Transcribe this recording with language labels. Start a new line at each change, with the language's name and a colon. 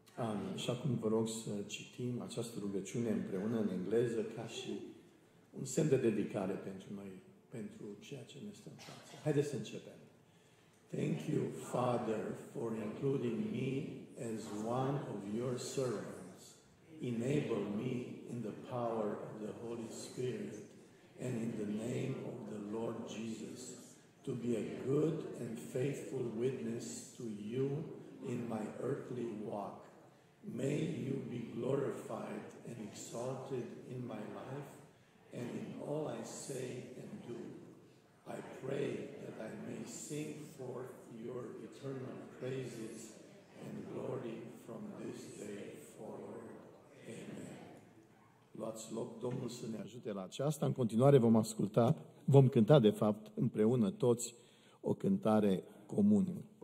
Romanian: Amin. Și acum vă rog să citim această rugăciune împreună în engleză ca și un semn de dedicare pentru noi, pentru ceea ce ne stă în față. Haideți să începem.
English: Thank you, Father, for including me as one of your servants. Enable me in the power of the Holy Spirit and in the name of the Lord Jesus, to be a good and faithful witness to you in my earthly walk. May you be glorified and exalted in my life and in all I say and do. I pray that I may sing forth your eternal praises and glory from this day forward. Amen.
Romanian: Luați loc, Domnul să ne ajute la aceasta. În continuare vom asculta, vom cânta de fapt împreună toți o cântare comună.